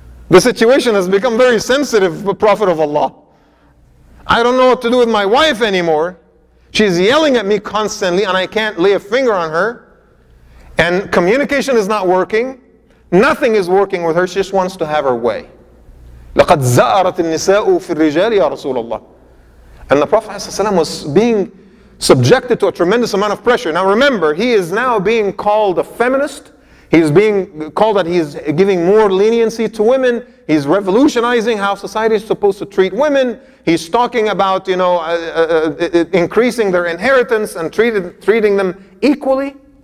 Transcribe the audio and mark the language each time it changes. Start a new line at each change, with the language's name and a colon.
English: The situation has become very sensitive, Prophet of Allah. I don't know what to do with my wife anymore. She's yelling at me constantly and I can't lay a finger on her. And communication is not working. Nothing is working with her. She just wants to have her way.
Arabic: لقد زأرت النساء في الرجال يا رسول الله.
English: And the Prophet ﷺ was being subjected to a tremendous amount of pressure. Now remember, he is now being called a feminist. He's being called that he's giving more leniency to women. He's revolutionizing how society is supposed to treat women. He's talking about, you know, increasing their inheritance and treating them equally.